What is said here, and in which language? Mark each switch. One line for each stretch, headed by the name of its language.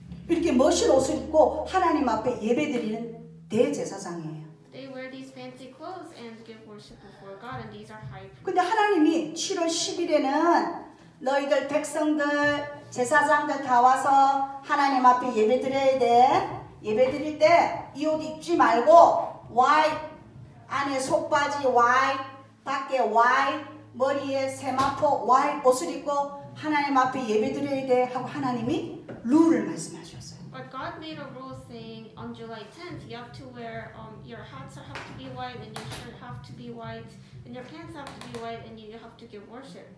Korean: 이렇게 멋진 옷을 입고 하나님 앞에 예배 드리는 대제사장이에요.
English: They wear these fancy clothes and give worship before God, and these are high priests.
Korean: 근데 하나님이 7월 10일에는 너희들 백성들 제사장들 다 와서 하나님 앞에 예배 드려야 돼. 예배 드릴 때 이 옷 입지 말고 white 안에 속바지 white 밖에 white 머리에 세마포 white 옷을 입고 하나님 앞에 예배 드려야 돼 하고 하나님이 룰을 말씀하셨어요.
English: But God made a rule saying on July 10th you have to wear your hats have to be white and your shirt have to be white and your pants have to be white and you have to give worship.